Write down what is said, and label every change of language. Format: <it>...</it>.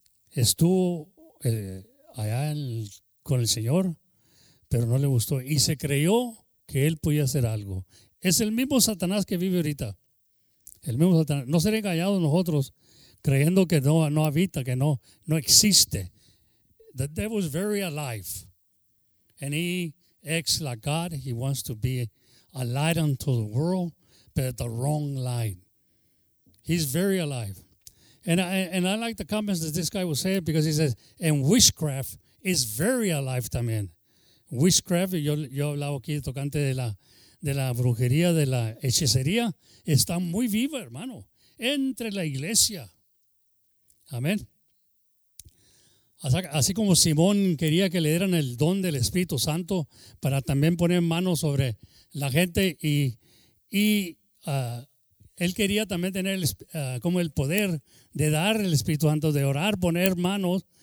<es>Estuvo allá con el Señor, pero no le gustó. Y se creyó que él podía hacer algo. Es el mismo Satanás que vive ahorita. El mismo Satanás. No ser engañados nosotros, creyendo que no habita, que no existe.</es> <en>The devil is very alive. And he acts like God. He wants to be a light unto the world, but the wrong light. He's very alive. And I like the comments that this guy will say because he says, and witchcraft is very alive también.</en> <es>Witchcraft, yo he hablado aquí tocante de la brujería, de la hechicería, está muy viva, hermano, entre la iglesia. Amén. Así como Simón quería que le dieran el don del Espíritu Santo para también poner mano sobre la gente y él quería también tener como el poder de dar el Espíritu Santo, de orar, poner manos.</es>